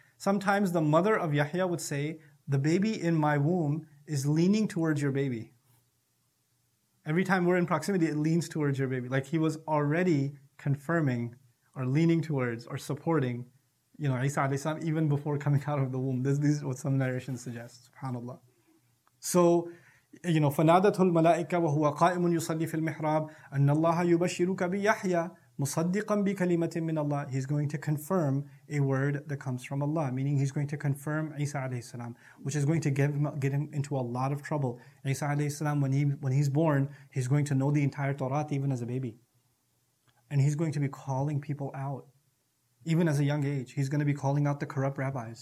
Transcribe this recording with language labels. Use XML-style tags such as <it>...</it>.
<en>Sometimes the mother of Yahya would say, the baby in my womb is leaning towards your baby. Every time we're in proximity, it leans towards your baby. Like he was already confirming or leaning towards or supporting, you know, Isa alayhi salam, even before coming out of the womb. This is what some narration suggests, subhanAllah. So, you know,</en> <ar>فَنَادَتُ الْمَلَائِكَ وَهُوَ قَائِمٌ يُصَلِّ فِي الْمِحْرَابِ أَنَّ اللَّهَ يُبَشِّرُكَ بِيَحْيَى مُصَدِّقًا بِكَلِمَةٍ مِّنَ اللَّهِ.</ar> <en>He's going to confirm a word that comes from Allah, meaning he's going to confirm Isa alayhi salam, which is going to get him into a lot of trouble. Isa alayhi salam, when he's born, he's going to know the entire Torah even as a baby. And he's going to be calling people out. Even as a young age, he's going to be calling out the corrupt rabbis.</en>